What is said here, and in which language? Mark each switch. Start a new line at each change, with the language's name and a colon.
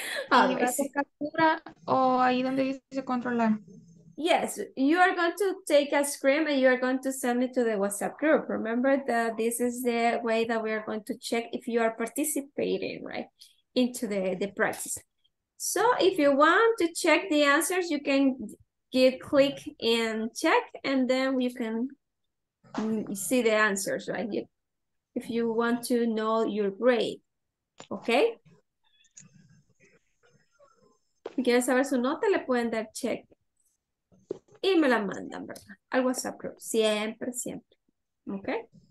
Spanish: ¿Y la captura o ahí donde dice controlar?
English: Yes, you are going to take a screen and you are going to send it to the WhatsApp group. Remember that this is the way that we are going to check if you are participating, right? Into the practice. So if you want to check the answers, you can... give click and check, and then you can see the answers, right? If you want to know your grade, okay?
Spanish: Si quieren saber su nota, le pueden dar check. Y me la mandan, ¿verdad? Al WhatsApp group, siempre, siempre, okay?